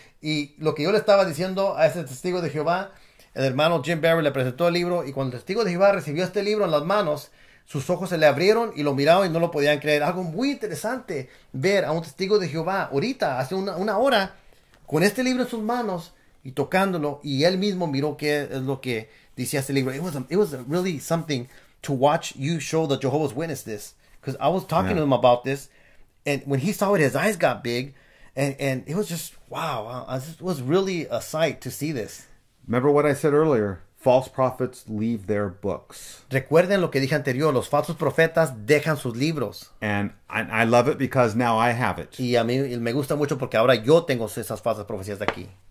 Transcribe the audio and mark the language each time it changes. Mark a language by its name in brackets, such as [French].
[Spanish] Y lo que yo le estaba diciendo a ese testigo de Jehová, el hermano Jim Barry le presentó el libro, y cuando el testigo de Jehová recibió este libro en las manos, sus ojos se le abrieron y lo miraron y no lo podían creer. Algo muy interesante ver a un testigo de Jehová ahorita, hace una hora, con este libro en sus manos y tocándolo, y él mismo miró qué es lo que decía este libro. [English] It was really something to watch you show the Jehovah's Witness this, because I was talking to him about this, and when he saw it, his eyes got big, and it was just, wow, it was really a sight to see this. Remember what I said earlier, false prophets leave their books. [Spanish] Recuerden lo que dije anterior, los falsos profetas dejan sus libros. [English] And I love it because now I have it. [Spanish] Y a mí me gusta mucho porque ahora yo tengo esas falsas profecías de aquí.